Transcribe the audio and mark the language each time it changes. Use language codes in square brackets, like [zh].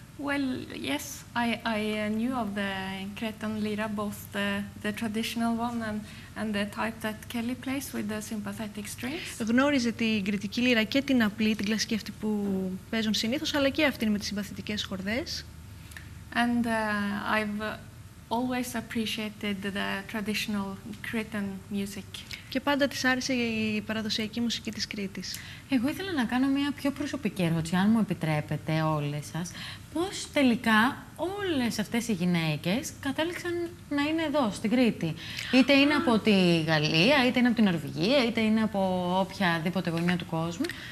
[en] Well, yes, I knew of the Cretan lira, both the traditional one and the type that Kelly plays with the sympathetic strings. [el] Γνώριζε την κριτική λύρα και την απλή, την κλασική αυτή που παίζουν συνήθως, αλλά και αυτήν με τις συμπαθητικές χορδές. [en] And I've always appreciated the traditional Cretan music. [el] Και πάντα της άρεσε η παραδοσιακή μουσική της Κρήτης. Εγώ ήθελα να κάνω μια πιο προσωπική ερώτηση, αν μου επιτρέπετε όλες σας. Πώς τελικά όλες αυτές οι γυναίκες κατέληξαν να είναι εδώ, στην Κρήτη. Είτε είναι από τη Γαλλία, είτε είναι από την Νορβηγία, είτε είναι από οποιαδήποτε γωνία του κόσμου.